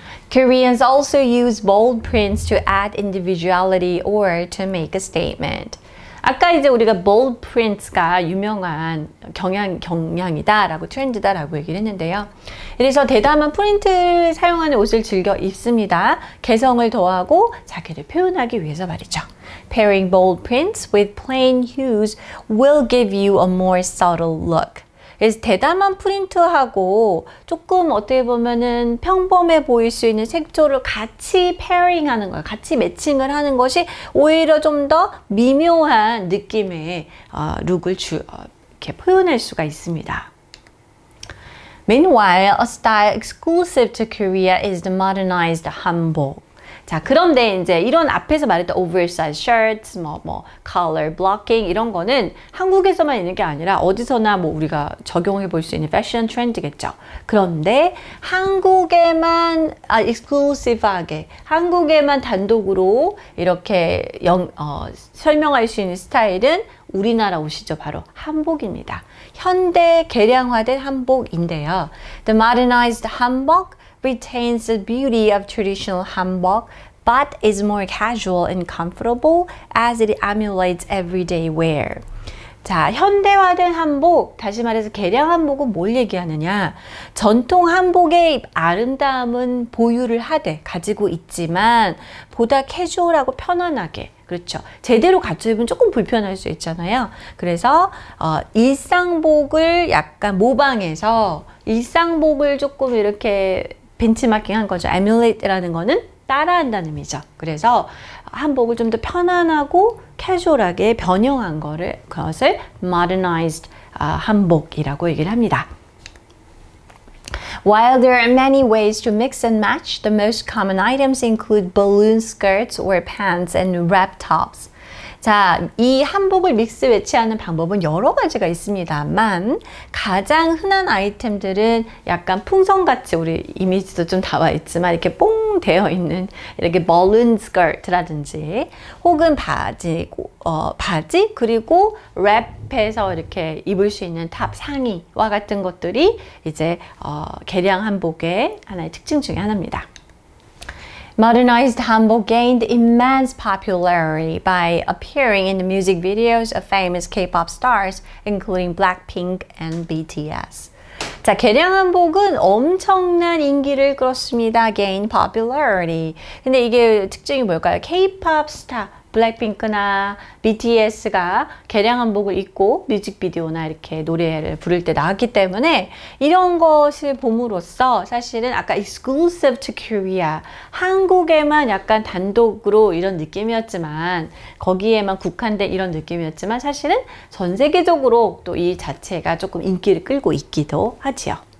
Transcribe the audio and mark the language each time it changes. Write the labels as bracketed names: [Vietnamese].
[English] Koreans also use bold prints to add individuality or to make a statement. [Korean] 아까 이제 우리가 bold prints가 유명한 경향이다라고 트렌드다라고 얘기를 했는데요. 그래서 대담한 프린트를 사용하는 옷을 즐겨 입습니다. 개성을 더하고 자기를 표현하기 위해서 말이죠. [English] Pairing bold prints with plain hues will give you a more subtle look. [Korean] 그래서 대담한 프린트하고 조금 어떻게 보면은 평범해 보일 수 있는 색조를 같이 페어링하는 거예요. 같이 매칭을 하는 것이 오히려 좀더 미묘한 느낌의 룩을 이렇게 표현할 수가 있습니다. [English] Meanwhile, a style exclusive to Korea is the modernized 한복. [Korean] 자, 그런데 이제 이런 앞에서 말했던 oversized shirts, color blocking, 이런 거는 한국에서만 있는 게 아니라 어디서나 뭐 우리가 적용해 볼수 있는 패션 트렌드겠죠. 그런데 한국에만, exclusive하게, 한국에만 단독으로 이렇게 설명할 수 있는 스타일은 우리나라 옷이죠. 바로 한복입니다. 현대 개량화된 한복인데요. [English] The modernized 한복 retains the beauty of traditional 한복, but is more casual and comfortable as it emulates everyday wear. [Korean] 자, 현대화된 한복, 다시 말해서 개량 한복은 뭘 얘기하느냐? 전통 한복의 아름다움은 보유를 하되 가지고 있지만 보다 캐주얼하고 편안하게, 그렇죠? 제대로 갖춰 입으면 조금 불편할 수 있잖아요. 그래서 일상복을 약간 모방해서 일상복을 조금 이렇게 벤치마킹 한 거죠. Emulate라는 거는 따라한다는 의미죠. 그래서 한복을 좀더 편안하고 캐주얼하게 변형한 거를 그것을 modernized 한복이라고 얘기를 합니다. [English] While there are many ways to mix and match, the most common items include balloon skirts or pants and wrap tops. [Korean] 자, 이 한복을 믹스 매치하는 방법은 여러 가지가 있습니다만 가장 흔한 아이템들은 약간 풍선같이 우리 이미지도 좀 나와 있지만 이렇게 뽕 되어 있는 이렇게 balloon skirt라든지 혹은 바지 그리고 랩해서 이렇게 입을 수 있는 탑 상의와 같은 것들이 이제 개량 한복의 하나의 특징 중에 하나입니다. [English] Modernized 한복 gained immense popularity by appearing in the music videos of famous K-pop stars, including Blackpink and BTS. [Korean] 자, 개량 한복은 엄청난 인기를 끌었습니다. [English] Gained popularity. [Korean] 근데 이게 특징이 뭘까요? K-pop 스타, 블랙핑크나 BTS가 개량 한복을 입고 뮤직비디오나 이렇게 노래를 부를 때 나왔기 때문에 이런 것을 봄으로써 사실은 아까 [English] exclusive to Korea [Korean] 한국에만 약간 단독으로 이런 느낌이었지만 거기에만 국한된 이런 느낌이었지만 사실은 전 세계적으로 또이 자체가 조금 인기를 끌고 있기도 하지요.